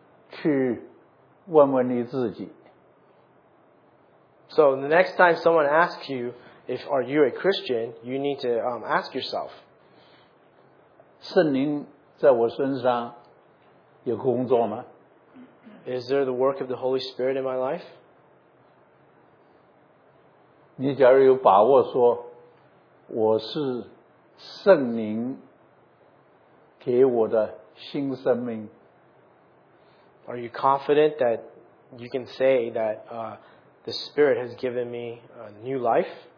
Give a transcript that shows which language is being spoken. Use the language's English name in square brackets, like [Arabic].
[Chinese] 所以弟兄姊妹，每次当人家问你是不是基督徒的时候，你要再三去问问你自己。 [English] So the next time someone asks you if are you a Christian, you need to ask yourself. [Chinese] 圣灵在我身上有工作吗? [English] Is there the work of the Holy Spirit in my life? [Chinese] 你假如有把握说我是圣灵给我的新生命, [English] are you confident that you can say that the Spirit has given me a new life?